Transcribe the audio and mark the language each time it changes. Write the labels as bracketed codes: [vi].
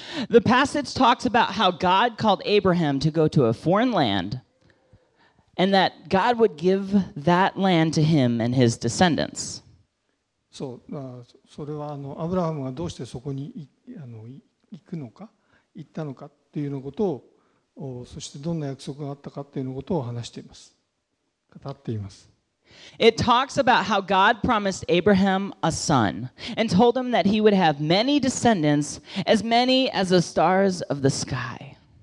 [en] The passage talks about how God called Abraham to go to a foreign land and that God would give that land to him and his descendants. [ja] So, それはアブラハムがどうしてそこに行くのか、行ったのかっていうのことを [en] It talks about how God promised Abraham a son and told him that he would have many descendants, as many as the stars of the sky.